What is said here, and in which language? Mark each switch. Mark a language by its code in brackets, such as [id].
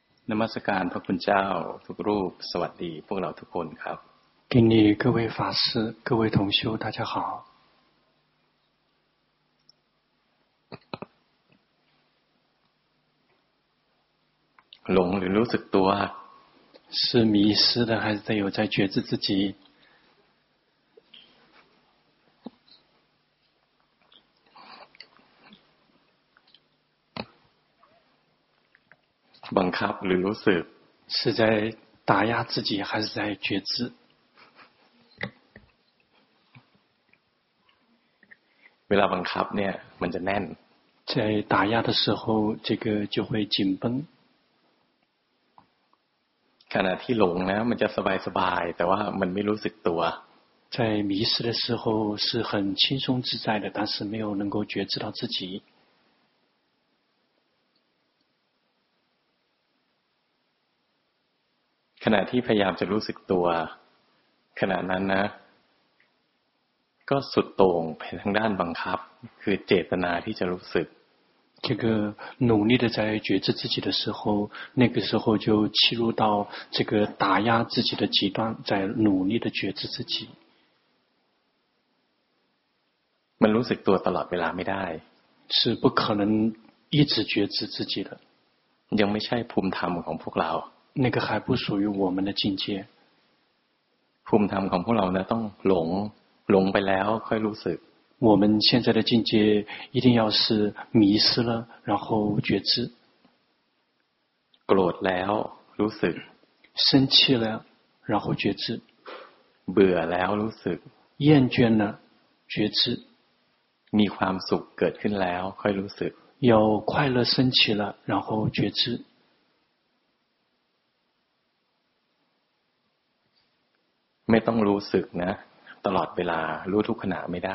[th] นมัสการพระคุณเจ้าทุกรูปสวัสดีพวกเราทุกคนครับ [zh] กินี各位法师各位同修大家好 [th] หลงหรือรู้สึกตัว [zh] 是迷失的还是有在觉知自己 [th] บังคับหรือรู้สึก [zh] 是在打压自己还是在觉知 [th] เวลาบังคับเนี่ยมันจะแน่น [zh] 在打压的时候这个就会紧绷 [th] ขณะที่หลงนะมันจะสบายสบายแต่ว่ามันไม่รู้สึกตัว [zh] 在迷失的时候是很轻松自在的但是没有能够觉知到自己 [th] ขณะที่พยายามจะรู้สึกตัวขณะนั้นนะก็สุดโต่งไปทางด้านบังคับคือเจตนาที่จะรู้สึก [zh] 这个努力的在觉知自己的时候那个时候就切入到这个打压自己的极端在努力的觉知自己 [th] มันรู้สึกตัวตลอดเวลาไม่ได้ [zh] 是不可能一直觉知自己的 [th] ยังไม่ใช่ภูมิธรรมของพวกเรา [zh] 那个还不属于我们的境界 [th] ภูมิธรรมของพวกเราเนี่ยต้องหลงหลงไปแล้วค่อยรู้สึก [zh] 我们现在的境界一定要是迷失了然后觉知 [th] โกรธแล้วรู้สึก [zh] 生气了然后觉知 [th] เบื่อแล้วรู้สึก [zh] 厌倦了觉知 [th] มีความสุขเกิดขึ้นแล้วค่อยรู้สึก [zh] 有快乐升起了然后觉知 [th] ไม่ต้องรู้สึกนะตลอดเวลารู้ทุกขณะไม่ได